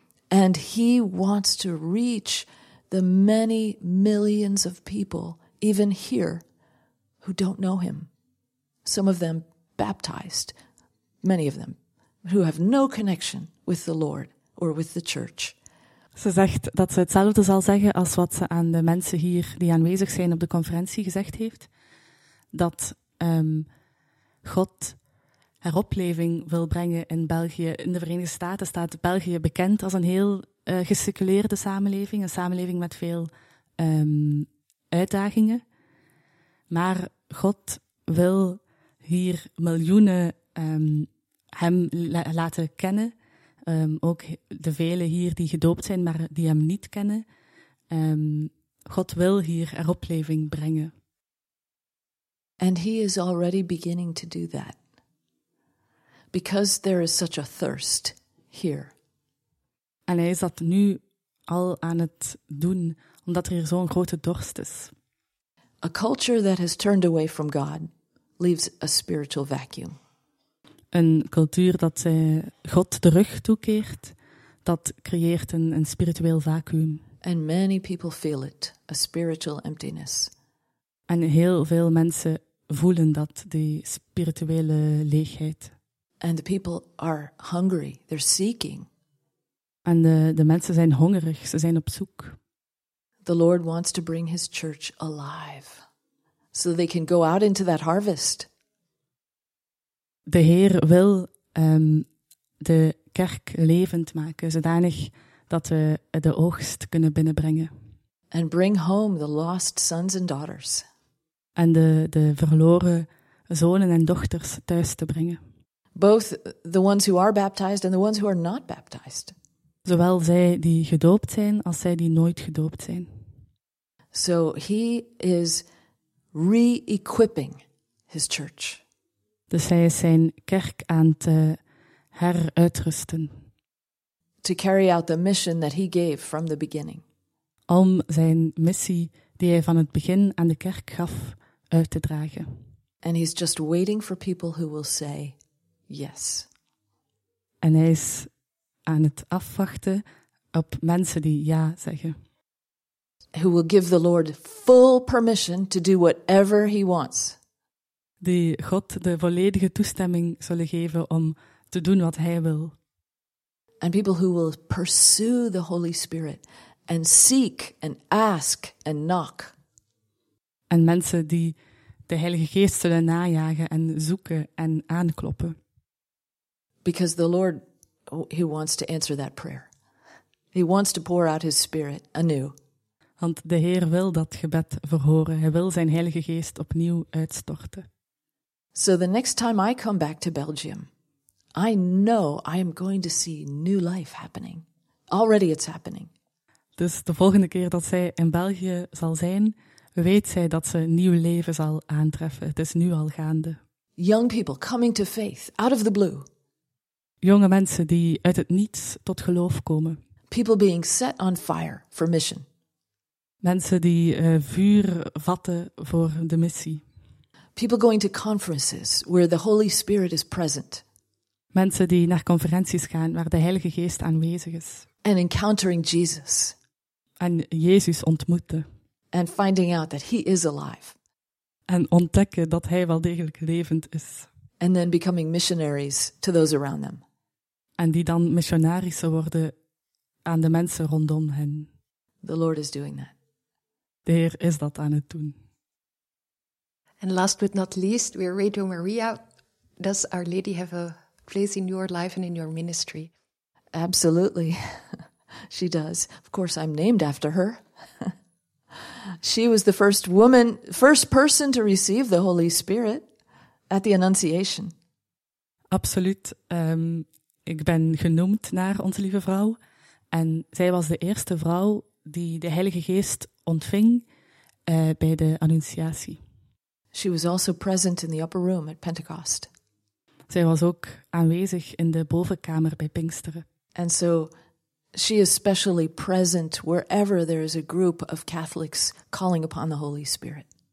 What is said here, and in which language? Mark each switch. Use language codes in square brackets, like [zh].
[en] And he wants to reach the many millions of people, even here, who don't know him. Some of them baptized, many of them, who have no connection with the Lord or with the church. [nl] Ze zegt dat ze hetzelfde zal zeggen als wat ze aan de mensen hier die aanwezig zijn op de conferentie gezegd heeft. Dat God heropleving wil brengen in België. In de Verenigde Staten staat België bekend als een heel geseculeerde samenleving. Een samenleving met veel uitdagingen. Maar God wil hier miljoenen hem laten kennen. Ook de velen hier die gedoopt zijn, maar die hem niet kennen. God wil hier heropleving brengen. [en] And he is already beginning to do that. Because there is such a thirst here. [nl] En hij is dat nu al aan het doen, omdat er hier zo'n grote dorst is. [en] A culture that has turned away from God leaves a spiritual vacuum. [nl] Een cultuur dat God de rug toekeert, dat creëert een spiritueel vacuüm. [en] And many people feel it, a spiritual emptiness. [nl] En heel veel mensen voelen dat, die spirituele leegheid. [en] And the people are hungry, they're seeking. [nl] En de mensen zijn hongerig, ze zijn op zoek. [en] The Lord wants to bring his church alive, so they can go out into that harvest. [nl] De Heer wil de kerk levend maken, zodanig dat we de oogst kunnen binnenbrengen. [en] And bring home the lost sons and daughters. [nl] En de verloren zonen en dochters thuis te brengen. [en] Both the ones who are baptized and the ones who are not baptized. [nl] Zowel zij die gedoopt zijn als zij die nooit gedoopt zijn. [en] So he is re-equipping his church. [nl] Dus hij is zijn kerk aan het heruitrusten. [en] To carry out the mission that he gave from the beginning. [nl] Om zijn missie die hij van het begin aan de kerk gaf uit te dragen. [en] And he's just waiting for people who will say yes. [nl] En hij is aan het afwachten op mensen die ja zeggen. [en] Who will give the Lord full permission to do whatever he wants. [nl] Die God de volledige toestemming zullen geven om te doen wat hij wil. [en] And people who will pursue the Holy Spirit and seek and ask and knock. [nl] En mensen die de Heilige Geest zullen najagen en zoeken en aankloppen. [en] Because the Lord, he wants to answer that prayer. He wants to pour out his Spirit anew. [nl] Want de Heer wil dat gebed verhoren. Hij wil zijn Heilige Geest opnieuw uitstorten. [en] So the next time I come back to Belgium, I know I am going to see new life happening. Already it's happening. [nl] Dus de volgende keer dat zij in België zal zijn, weet zij dat ze nieuw leven zal aantreffen. Het is nu al gaande. [en] Young people coming to faith out of the blue. [nl] Jonge mensen die uit het niets tot geloof komen. [en] People being set on fire for mission. [nl] Mensen die vuur vatten voor de missie. [en] People going to conferences where the Holy Spirit is present. [nl] Mensen die naar conferenties gaan waar de Heilige Geest aanwezig is. [en] And encountering Jesus. [nl] En Jezus ontmoeten. [en] And finding out that he is alive. [nl] En ontdekken dat hij wel degelijk levend is. [en] And then becoming missionaries to those around them. [nl] En die dan missionarissen worden aan de mensen rondom hen. [en] The Lord is doing that. [nl] De Heer is dat aan het doen. [en] And last but not least, we're Radio Maria. Does Our Lady have a place in your life and in your ministry? Absolutely. She does. Of course, I'm named after her. She was the first woman, first person to receive the Holy Spirit at the Annunciation. [nl] Absoluut. Ik ben genoemd naar Onze Lieve Vrouw. En zij was de eerste vrouw die de Heilige Geest ontving bij de Annunciatie. [en] She was also present in the upper room at Pentecost. [nl] Zij was ook aanwezig in de bovenkamer bij Pinksteren. [en] And so she is specially present wherever there is a group of Catholics calling upon the Holy Spirit.